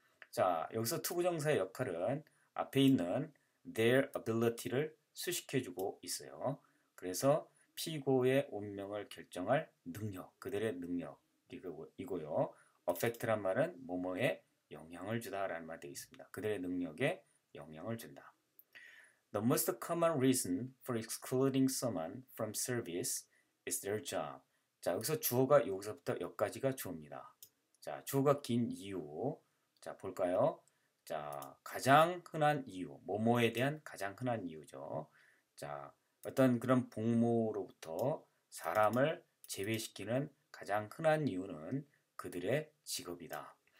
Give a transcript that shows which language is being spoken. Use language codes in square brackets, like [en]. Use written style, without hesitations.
[ko] 자, 여기서 투구정사의 역할은 앞에 있는 [en] their ability [ko] 를 수식해주고 있어요. 그래서 피고의 운명을 결정할 능력, 그들의 능력이고요. affect란 말은 뭐뭐에 영향을 주다라는 말이 되겠습니다. 그들의 능력에 영향을 준다. [en] The most common reason for excluding someone from service is their job. [ko] 자, 여기서 주어가 여기서부터 여기까지가 주어입니다. 자, 주어가 긴 이유. 자, 볼까요? 자, 가장 흔한 이유. 뭐뭐에 대한 가장 흔한 이유죠. 자, 어떤 그런 복무로부터 사람을 제외시키는 가장 흔한 이유는 그들의 직업이다.